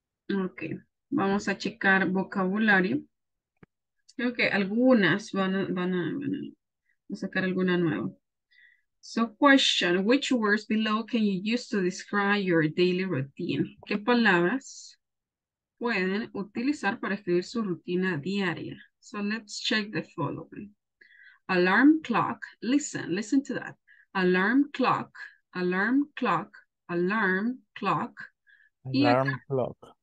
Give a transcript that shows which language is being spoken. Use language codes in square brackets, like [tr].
[es] Ok. Vamos a checar vocabulario. Creo que algunas van a sacar alguna nueva. [en] So question, which words below can you use to describe your daily routine? [es] ¿Qué palabras pueden utilizar para escribir su rutina diaria? [en] So let's check the following. Alarm clock, listen to that. Alarm clock, alarm clock, alarm clock. Alarm clock.